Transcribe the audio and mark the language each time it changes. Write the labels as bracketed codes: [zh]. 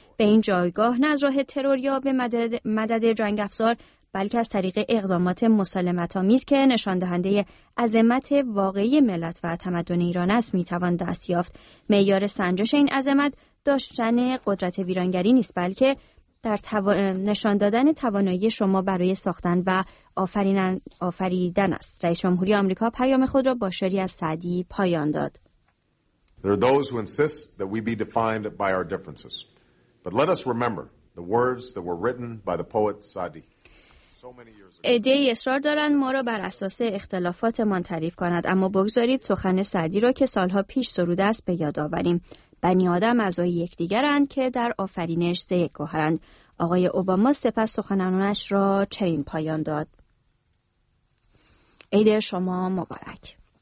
[fa] به این جایگاه نه از راه ترور یا به مدد جنگ افزار، بلکه از طریق اقدامات مسالمت‌آمیز که نشان دهنده عظمت واقعی ملت و تمدن ایران است میتوان دست یافت. معیار سنجش این عظمت داشتن قدرت ویرانگری نیست، بلکه در نشان دادن توانایی شما برای ساختن و آفریدن است. رئیس جمهوری آمریکا پیام خود را با شعری از سعدی پایان داد: [en] There are those who insist that we be defined by our differences. But let us remember the words that were written by the poet Sa'di. [fa] عده‌ای اصرار دارند ما را بر اساس اختلافاتمان تعریف کنند، اما بگذارید سخن سعدی را که سالها پیش سروده است به یاد آوریم. بنی آدم اعضای یکدیگرند که در آفرینش سه یک گوهرند. آقای اوباما سپس سخنانش را چنین پایان داد: عید شما مبارک.